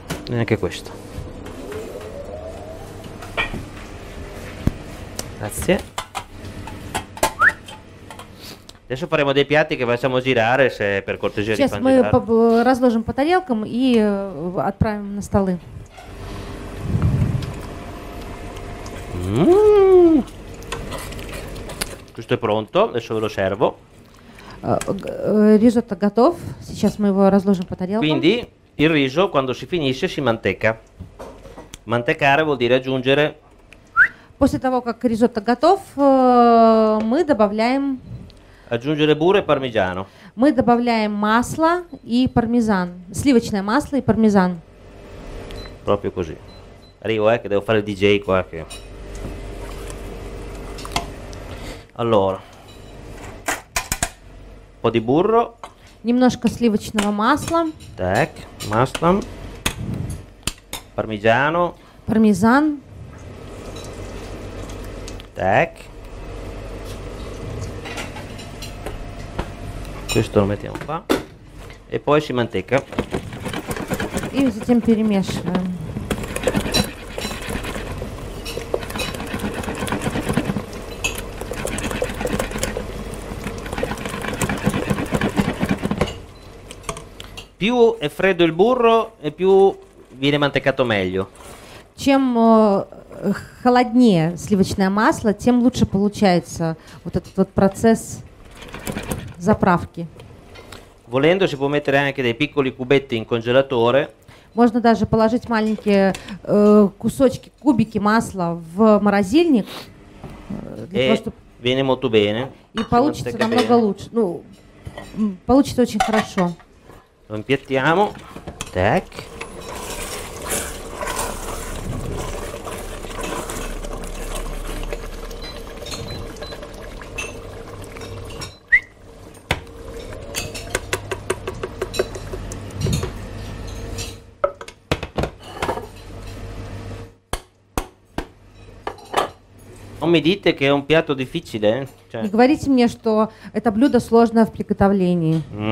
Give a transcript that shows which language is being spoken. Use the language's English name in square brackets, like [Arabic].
[Italian] E anche questo. Grazie. Adesso faremo dei piatti che facciamo girare, se per cortesia li fanno girare. [Russian] Сейчас мы разложим по тарелкам и отправим на столы. [Italian] Questo è pronto, adesso ve lo servo. [Russian] Risotto готов. Сейчас мы его разложим по тарелкам. [Italian] Quindi il riso quando si finisce si manteca. Mantecare vuol dire aggiungere. [Russian] После того как risotto готов, мы добавляем. [Italian] Aggiungere burro e parmigiano. [Russian] Мы добавляем масло и пармезан. Сливочное масло и пармезан. [Italian] Proprio così. Arrivo, che devo fare il DJ qua che. Allora. Un po' di burro. [Russian] Немножко сливочного масла. Так, маслом. Пармезано. Пармезан. Так. [Italian] Questo lo mettiamo qua. E poi si manteca. [Russian] И затем перемешиваем. [Italian] Più è freddo il burro e più viene mantecato meglio. [Russian] Чем холоднее сливочное масло, тем лучше получается вот этот вот процесс заправки. [Italian] Volendo si può mettere anche dei piccoli cubetti in congelatore. [Russian] Можно даже положить маленькие кусочки, кубики масла в морозильник. [Italian] Viene molto bene. [Russian] И получится намного лучше. Ну, получится очень хорошо. [Italian] Lo impiattiamo. [Russian] Так. [Italian] Non mi dite che è un piatto difficile, cioè. [Russian] Не говорите мне, что это блюдо сложное в приготовлении.